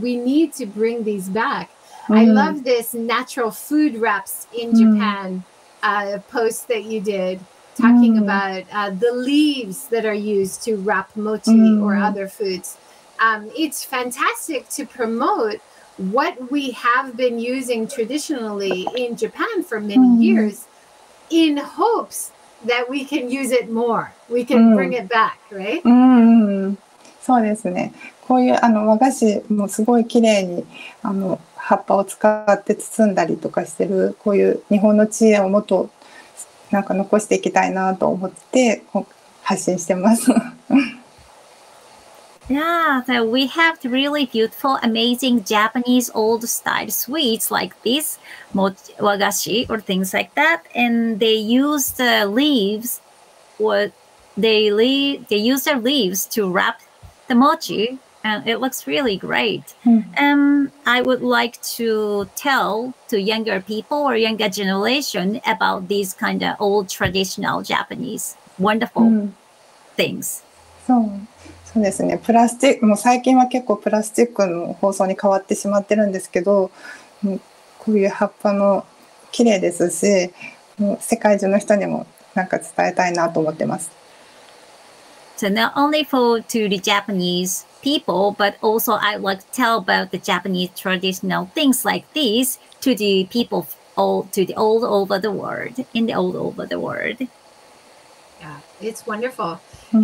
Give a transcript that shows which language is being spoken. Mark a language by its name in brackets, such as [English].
[English] We need to bring these back. I love this natural food wraps in Japan post that you did talking about the leaves that are used to wrap mochi or other foods. It's fantastic to promote what we have been using traditionally in Japan for many years in hopes that we can use it more. We can bring it back, right? [Japanese] そうですね。こういう和菓子もすごい綺麗に葉っぱを使って包んだりとかしてる、こういう日本の知恵をもっとなんか残していきたいなと思って発信してます。 [English] Yeah, so we have really beautiful, amazing Japanese old style sweets like this, wagashi or things like that. And they use the leaves, they use their leaves to wrap the mochi. And it looks really great. I would like to tell to younger people or younger generation about these kind of old traditional Japanese wonderful things. [Japanese] そう、そうですね。プラスチック、もう最近は結構プラスチックの包装に変わってしまってるんですけど、こういう葉っぱも綺麗ですし、もう世界中の人にもなんか伝えたいなと思ってます。 [English] So not only for to the Japanese people, but also I like to tell about the Japanese traditional things like these to the people all to the all over the world, in the all over the world. Yeah, it's wonderful. Mm-hmm.